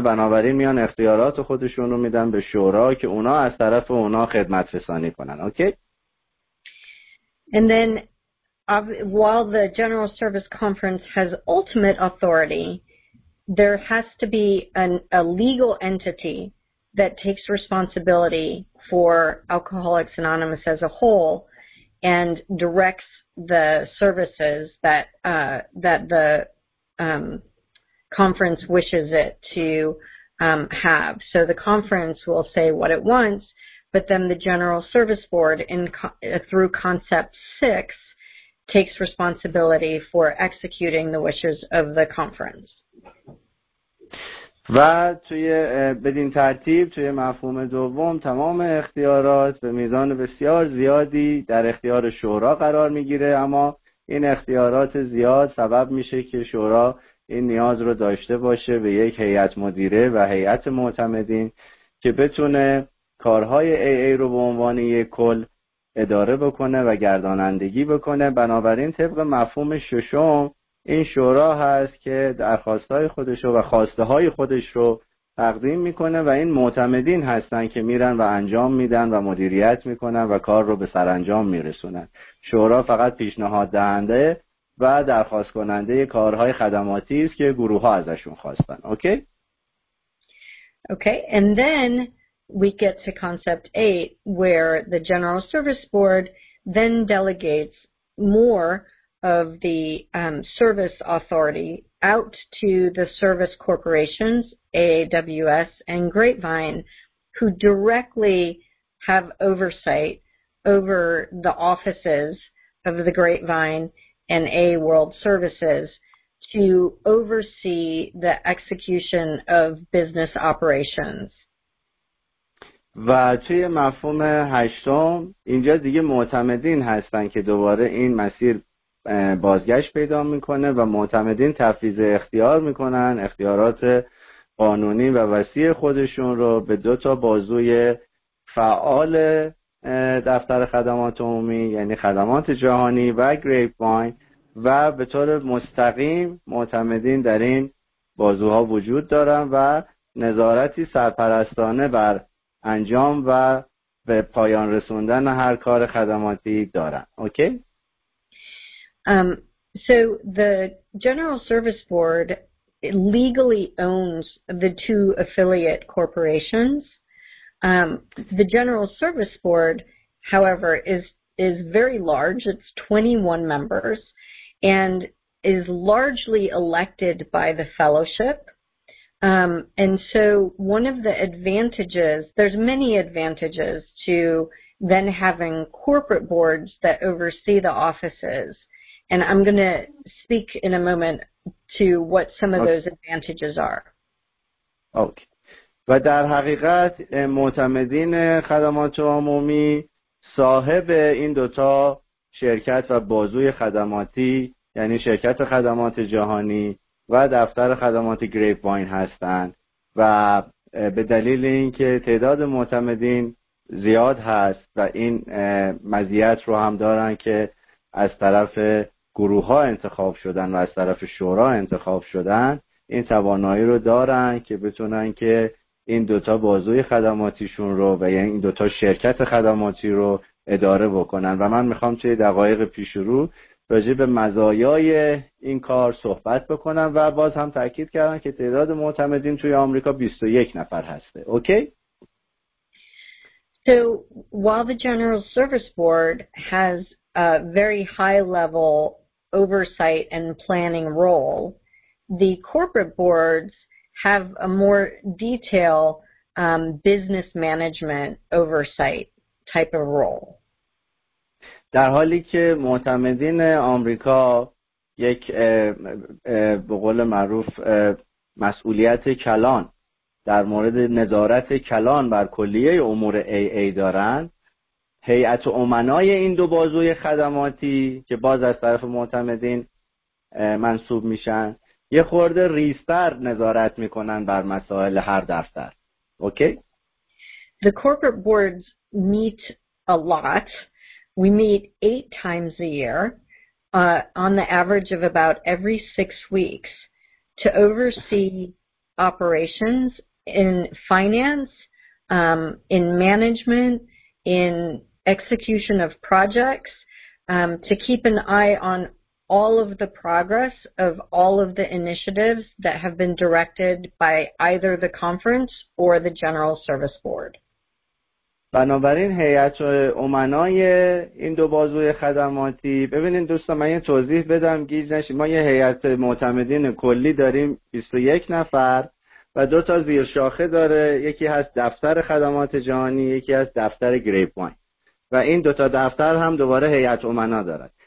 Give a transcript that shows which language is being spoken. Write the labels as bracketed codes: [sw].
[fa] بنابراین میان اختیارات خودشون رو میدن به شورا که اونا از طرف اونا خدمت رسانی کنن. [en] Okay? And then while the General Service Conference has ultimate authority, there has to be a legal entity that takes responsibility for Alcoholics Anonymous as a whole and directs the services that that the conference wishes it to have. So the conference will say what it wants, but then the General Service Board in through Concept 6 takes responsibility for executing the wishes of the conference. [fa] و توی بدین ترتیب توی مفهوم دوم تمام اختیارات به میزان بسیار زیادی در اختیار شورا قرار میگیره، اما این اختیارات زیاد سبب میشه که شورا این نیاز رو داشته باشه به یک هیئت مدیره و هیئت معتمدین که بتونه کارهای AA رو به عنوان یک کل اداره بکنه و گردانندگی بکنه. بنابراین طبق مفهوم ششم این شورا هست که درخواستهای خودش رو و خواسته های خودش رو تقدیم میکنه و این معتمدین هستن که میرن و انجام میدن و مدیریت میکنن و کار رو به سرانجام میرسونن. شورا فقط پیشنهاد دهنده و درخواست کننده کارهای خدماتی است که گروه ها ازشون خواستن. [en] Okay? Okay. And then we get to concept 8 where the General Service Board then delegates more of the service authority out to the service corporations, AAWS and Grapevine, who directly have oversight over the offices of the Grapevine and AA World Services to oversee the execution of business operations. [fa] و توی مفهوم هشتم اینجا دیگه معتمدین هستن که دوباره این مسیر بازگشت پیدا میکنه و معتمدین تفویض اختیار میکنن اختیارات قانونی و وسیع خودشون رو به دو تا بازوی فعال دفتر خدمات عمومی یعنی خدمات جهانی و گریپ واین، و به طور مستقیم معتمدین در این بازوها وجود دارن و نظارتی سرپرستانه بر انجام و به پایان رسوندن هر کار خدماتی دارن. [en] Okay? So the General Service Board legally owns the two affiliate corporations. The General Service Board, however, is very large. It's 21 members and is largely elected by the fellowship. And so one of the advantages, there's many advantages to then having corporate boards that oversee the offices. And I'm going to speak in a moment to what some of those advantages are. Okay. [fa] و در حقیقت معتمدین خدمات عمومی صاحب این دوتا شرکت و بازوی خدماتی یعنی شرکت خدمات جهانی و دفتر خدمات گریپ واین هستند و به دلیل اینکه تعداد معتمدین زیاد هست و این مزیت رو هم دارن که از طرف گروه ها انتخاب شدن و از طرف شورا انتخاب شدن این توانایی رو دارن که بتونن که این دوتا بازوی خدماتیشون رو و یعنی این دوتا شرکت خدماتی رو اداره بکنن و من میخوام توی دقایق پیش رو راجع به مزایای این کار صحبت بکنم و باز هم تأکید کردم که تعداد معتمدین توی آمریکا 21 نفر هسته. [en] Okay? So while the General Service Board has a very high level oversight and planning role, the corporate boards have a more detail business management oversight type of role. [fa] در حالی که معتمدین آمریکا یک به قول معروف مسئولیت کلان در مورد نظارت کلان بر کلیه امور AA دارن، هیئت امنای این دو بازوی خدماتی که باز از طرف معتمدین منصوب میشن یه خورده ریستر نظارت میکنن بر مسائل هر دفتر. [en] Okay? The corporate boards meet a lot. We meet 8 times a year on the average of about every 6 weeks to oversee operations in finance, in management, in execution of projects, to keep an eye on all of the progress of all of the initiatives that have been directed by either the conference or the General Service Board. [fa] بنابراین هیئت امنای این دو بازوی خدماتی، ببینید دوستان من یه توضیح بدم گیج نشید، ما یه هیئت معتمدین کلی داریم 21 نفر و دو تا زیر شاخه داره، یکی هست دفتر خدمات جهانی، یکی هست دفتر گریپ واین و این دو تا دفتر هم دوباره هیئت امنا دارد.